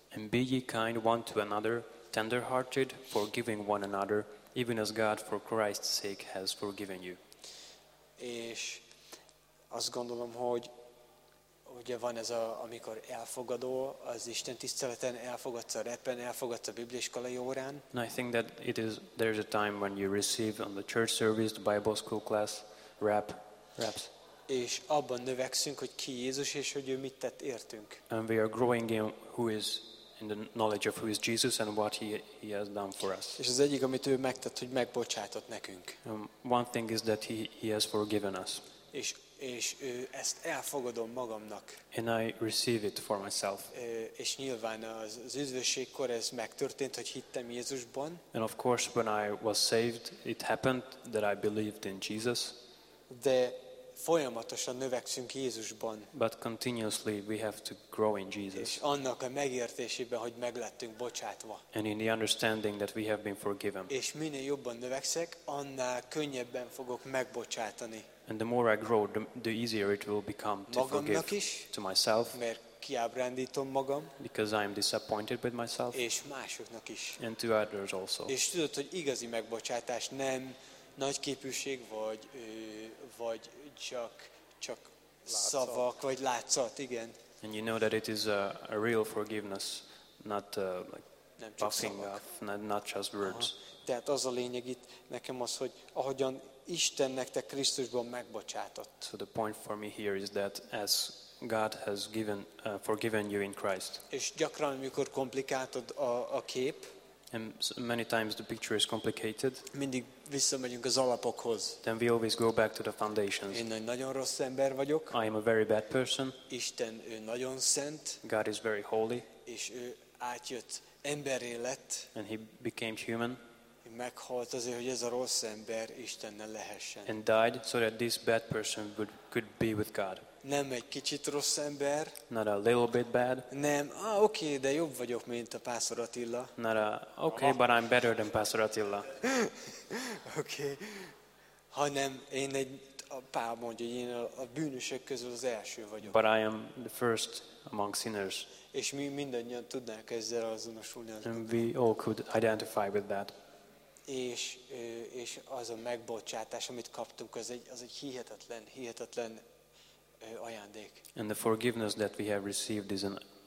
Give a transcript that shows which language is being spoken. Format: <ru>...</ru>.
<en>And be ye kind one to another, tender-hearted, forgiving one another, even as God for Christ's sake has forgiven you.</en> <hu>És azt gondolom, hogy ugye van ez a, amikor elfogadó, az Isten tiszteleten elfogadsz a repen, elfogadsz a bibliaiskolai órán.</hu> <en>And I think that it is, there is a time when you receive on the church service, the Bible school class, reps.</en> <hu>És abban növekszünk, hogy ki Jézus, és hogy ő mit tett értünk.</hu> <en>And we are growing in who is, in the knowledge of who is Jesus and what he has done for us.</en> <hu>És az egyik, amit ő megtett, hogy megbocsátott nekünk.</hu> <en>One thing is that he has forgiven us.</en> <hu>És ő ezt elfogadom magamnak.</hu> <en>And I receive it for myself.</en> <hu>És nyilván az üdvösségkor ez megtörtént, hogy hittem Jézusban.</hu> <en>And of course when I was saved, it happened that I believed in Jesus.</en> <hu>De folyamatosan növekszünk Jézusban.</hu> <en>But continuously we have to grow in Jesus.</en> <hu>És annak a megértésében, hogy meglettünk bocsátva.</hu> <en>And in the understanding that we have been forgiven.</en> <hu>És minél jobban növekszek, annál könnyebben fogok megbocsátani.</hu> <en>And the more I grow, the easier it will become to</en> <hu>magamnak</hu> <en>forgive</en> <hu>is,</hu> <en>to myself,</en> <hu>mert kiábrándítom magam,</hu> <en>because I am disappointed with myself,</en> <hu>és másoknak is,</hu> <en>and to others also.</en> <hu>És tudod, hogy igazi megbocsátás nem nagy képűség, vagy csak látszat. Szavak, vagy látszat, igen.</hu> <en>And you know that it is a real forgiveness, not like puffing up, not just words.</en> <hu>Tehát az a lényeg itt nekem az, hogy ahogyan Isten nektek Krisztusban megbocsátott.</hu> <en>So the point for me here is that as God has given forgiven you in Christ.</en> <hu>És gyakran amikor komplikáltad a kép.</hu> <en>And many times the picture is complicated.</en> <hu>Mindig visszamegyünk az alapokhoz.</hu> <en>Then we always go back to the foundations.</en> <hu>Én nagyon rossz ember vagyok.</hu> <en>I am a very bad person.</en> <hu>Isten ő nagyon szent.</hu> <en>God is very holy.</en> <hu>És ő átjött emberré lett.</hu> <en>And he became human.</en> <hu>Meghalt azért, hogy ez a rossz ember Istennel lehessen.</hu> <en>And died so that this bad person could be with God.</en> <hu>Nem egy kicsit rossz ember.</hu> <en>Not a little bit bad.</en> <hu>Nem, okay, de jobb vagyok, mint a Pásztor Attila.</hu> <en>Not a, okay, but I'm better than Pásztor Attila. Okay.</en> <hu>Hanem én egy, a Pál mondja, hogy én a bűnösök közül az első vagyok.</hu> <en>But I am the first among sinners.</en> <hu>És mi mindannyian tudnánk ezzel azonosulni.</hu> <en>And we all could identify with that.</en> <hu>És az a megbocsátás, amit kaptunk, az egy hihetetlen ajándék.</hu> <en>And the forgiveness that we have received is an</en>